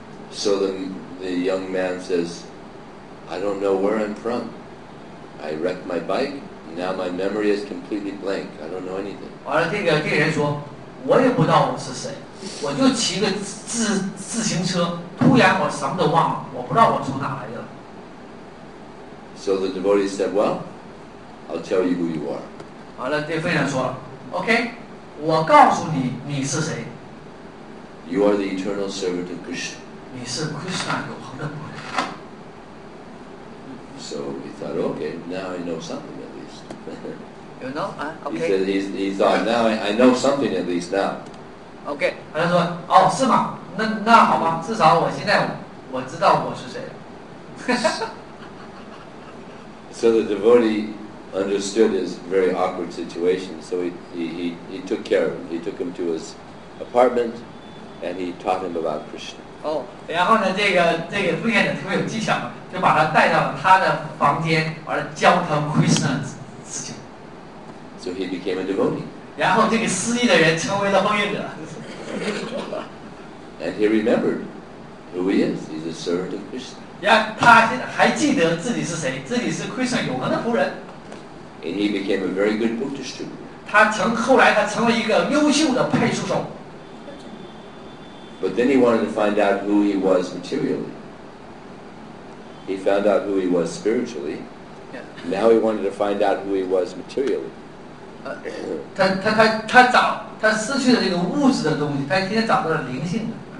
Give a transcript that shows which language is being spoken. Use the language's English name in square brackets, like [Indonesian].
[English] So the young man says, I don't know where I'm from. I wrecked my bike. Now my memory is completely blank. I don't know anything. [Chinese] 完了，这个人说，我也不知道我是谁。我就骑个自行车，突然我什么都忘了，我不知道我从哪来的。 [English] So the devotee said, well, I'll tell you who you are. [Chinese] 完了，这分享说了 ，OK， 我告诉你你是谁。 [English] You are the eternal servant of Krishna. [Chinese] 你是 Krishna 永恒的仆人。 [English] So he thought, okay, now I know something at least. You know, okay. He thought, now I know something at least now. Okay. [Chinese] 他就说，哦，是吗？那好吧，至少我现在我知道我是谁。 [English] So the devotee understood his very awkward situation. So he took care of him. He took him to his apartment. And he taught him about Krishna. Oh, [Chinese] 然后呢，这个奉献者特别有技巧，就把他带到他的房间，完了教他 Krishna 事情。 [English] So he became a devotee. [Chinese] 然后这个失忆的人成为了奉献者。 [English] And he remembered who he is. He's a servant of Krishna. [Chinese] 呀，他还记得自己是谁，自己是 Krishna 永恒的仆人。 [English] And he became a very good book distributor. [Chinese] 后来他成了一个优秀的配书手。 [English] But then he wanted to find out who he was materially. He found out who he was spiritually. Yeah. Now he wanted to find out who he was materially. [Chinese] 他失去了这个物质的东西，他今天找到了灵性的。